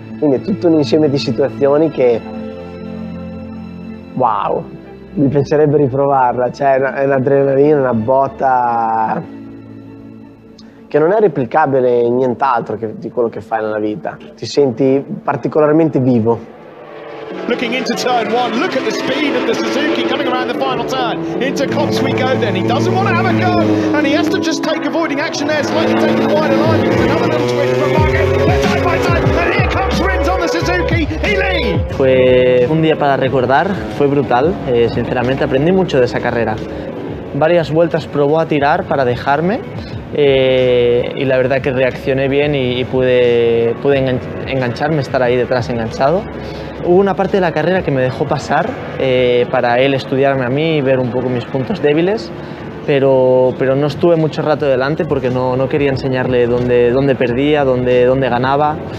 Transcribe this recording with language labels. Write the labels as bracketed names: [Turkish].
[Italian] quindi è tutto un insieme di situazioni che wow, mi piacerebbe riprovarla, cioè è un'adrenalina, una botta che non è replicabile in nient'altro che di quello che fai nella vita, ti senti particolarmente vivo. [English] Looking into turn one, look at the speed of the Suzuki coming around the final turn. Into Cox we go then, he doesn't want to have a go, and he has to just take avoiding action there, slightly taking the wider line, because another little twist from Marquez, they're side by side, and here comes Rins on the Suzuki, he leads! [Spanish] Fue un día para recordar, fue brutal, sinceramente aprendí mucho de esa carrera. Varias vueltas probó a tirar para dejarme, y la verdad que reaccioné bien y pude engancharme, estar ahí detrás enganchado. Hubo una parte de la carrera que me dejó pasar para él estudiarme a mí y ver un poco mis puntos débiles, pero no estuve mucho rato delante porque no quería enseñarle dónde perdía, dónde ganaba.